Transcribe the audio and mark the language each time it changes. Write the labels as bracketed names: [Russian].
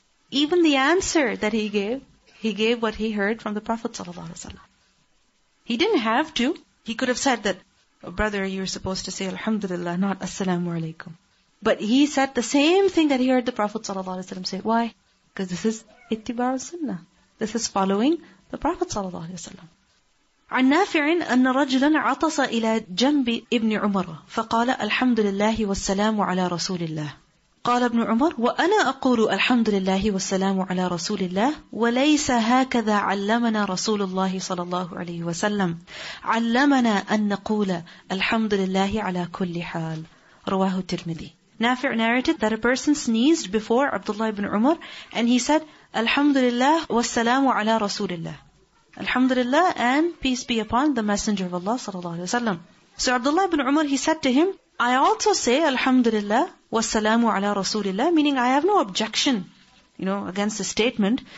[English] Even the answer that he gave what he heard from the Prophet ﷺ. He didn't have to. He could have said that, oh, brother, you're supposed to say alhamdulillah, not assalamu alaikum. But he said the same thing that he heard the Prophet ﷺ say. Why? Because this is ittiba' al-sunnah. This is following the Prophet ﷺ. [Arabic] عَنْ نَافِعٍ أَنَّ رَجْلًا عَطَصَ إِلَى جَنْبِ إِبْنِ عُمَرَ فَقَالَ الْحَمْدُ لِلَّهِ وَالسَّلَامُ عَلَى رَسُولِ اللَّهِ قال ابن عمر وأنا أقول الحمد لله والسلام على رسول الله وليس هكذا علمنا رسول الله صلى الله عليه وسلم علمنا أن نقول الحمد لله على كل حال رواه الترمذي. [English] نافع narrated that a person sneezed before Abdullah ibn Umar and he said [Arabic] الحمد لله والسلام على رسول الله. [English] الحمد لله and peace be upon the messenger of Allah صلى الله عليه وسلم. So Abdullah ibn Umar, he said to him, I also say [Arabic] alhamdulillah wassalamu ala rasulillah, [English] meaning I have no objection, you know, against the statement.